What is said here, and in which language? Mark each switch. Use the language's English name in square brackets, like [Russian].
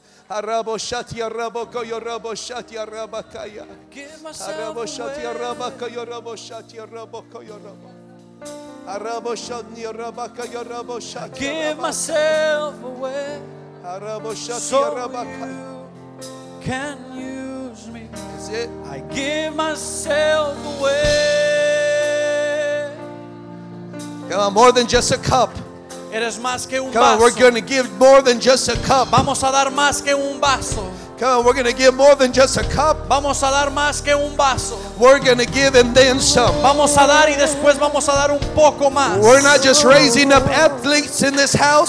[English] I give myself away. Come on, more than just a cup. [Spanish] Eres más que un [English] Come On, we're going to give more than just a cup. [Spanish] Vamos a dar más que un vaso. [English] Come on, we're going to give more than just a cup. [Spanish] Vamos a dar más que un vaso. [English] We're going to give and then some. [Spanish] Vamos a dar y después vamos a dar un poco más. [English] We're not just raising up athletes in this house.